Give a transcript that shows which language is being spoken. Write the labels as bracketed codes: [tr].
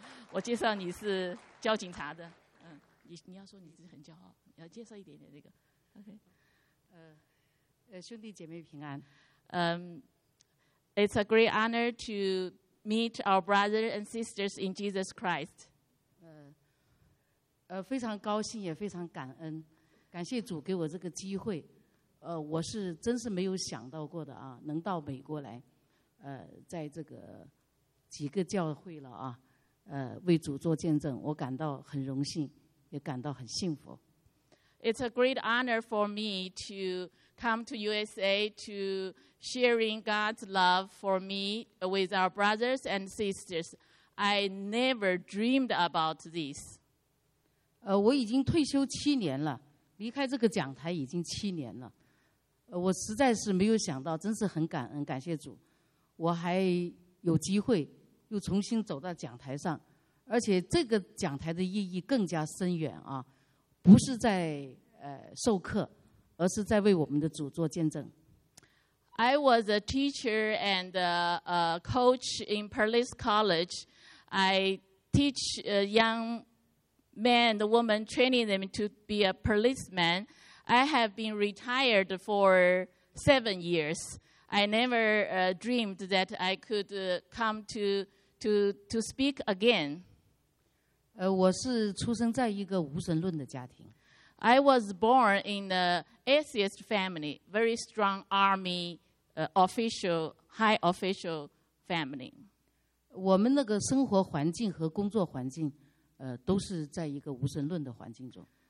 [zh] 我介绍你是教警察的，你要说你是很骄傲。要介绍一点点这个 ，OK，兄弟姐妹平安。 [en] It's a great honor to meet our brothers and sisters in Jesus Christ. [zh] 非常高兴，也非常感恩，感谢主给我这个机会。我是真是没有想到过的啊，能到美国来。在这个几个教会了啊，为主做见证，我感到很荣幸，也感到很幸福。 [en] It's a great honor for me to come to USA to sharing God's love for me with our brothers and sisters. I never dreamed about this. [zh] 我已经退休七年了，离开这个讲台已经七年了。我实在是没有想到，真是很感恩，感谢主。我还有机会又重新走到讲台上，而且这个讲台的意义更加深远啊，不是在授课，而是在为我们的主做见证。 [en] I was a teacher and a coach in Perlis College. I teach young men, the women, training them to be a policeman. I have been retired for 7 years. I never dreamed that I could come to speak again. [zh] 我是出生在一个无神论的家庭。 [en] I was born in an atheist family, very strong army, official, high official family. [zh] 我们那个生活环境和工作环境，都是在一个无神论的环境中。